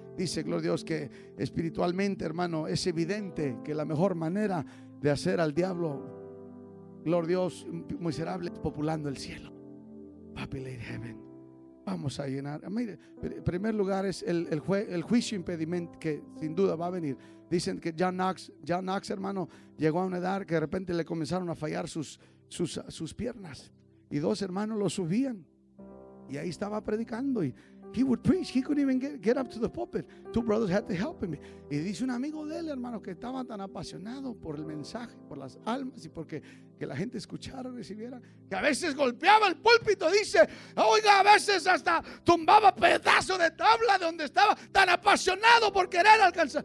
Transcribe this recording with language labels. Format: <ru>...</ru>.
<es>Dice, gloria a Dios, que espiritualmente, hermano, es evidente que la mejor manera de hacer al diablo, gloria a Dios, miserable, es populando el cielo.</es> <en>Populate heaven.</en> <es>Vamos a llenar. Mire, en primer lugar es el juicio impedimento que sin duda va a venir. Dicen que John Knox, hermano, llegó a una edad que de repente le comenzaron a fallar sus piernas. Y dos hermanos lo subían. Y ahí estaba predicando y</es> <en>he would preach, he couldn't even get up to the pulpit. Two brothers had to help him.</en> <es>Y dice un amigo de él, hermano, que estaba tan apasionado por el mensaje, por las almas y porque que la gente escuchara, recibiera, que a veces golpeaba el púlpito, dice, oiga, a veces hasta tumbaba pedazo de tabla de donde estaba tan apasionado por querer alcanzar.</es>